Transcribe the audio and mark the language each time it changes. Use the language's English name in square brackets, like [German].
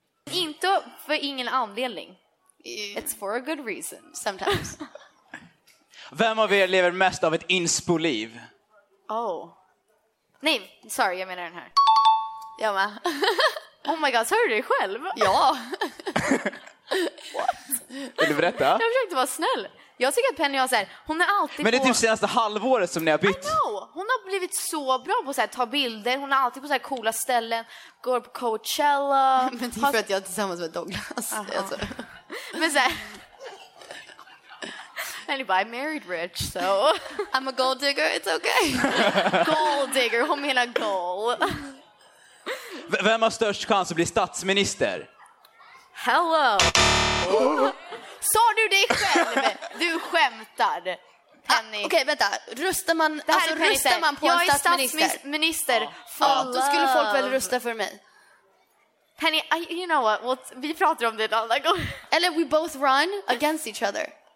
[Swedish] Inte för ingen anledning. [English] It's for a good reason, sometimes. [Swedish] Vem av er lever mest av ett inspo-liv? Oh. Nej, sorry, jag menar den här. Jag med. [English] Oh my god, [Swedish] så hör du dig själv? Ja. [English] What? [Swedish] Vill du berätta? Jag försökte vara snäll. Jag tycker att Penny har såhär, hon är alltid på... Men det är typ senaste halvåret som ni har bytt. [English] I know. [Swedish] Hon har blivit så bra på att ta bilder. Hon är alltid på så här coola ställen. Går på Coachella. Men det är för att jag är tillsammans med Douglas. Alltså. Men såhär... [English] Anyway, I'm married rich, so... I'm a gold digger, it's okay. [Swedish] Gold digger, hon menar gold. Vem har störst chans att bli statsminister? [English] Hello. [Swedish] Oh. Sa du det själv? Du skämtar, Penny. Okej, vänta. Röstar man, alltså, röstar man på jag en statsminister? Jag är statsminister. Då skulle folk väl rösta för mig. [English] Penny, you know what? [Swedish] Vi pratar om det en annan gång. Eller [English] we both run against each other.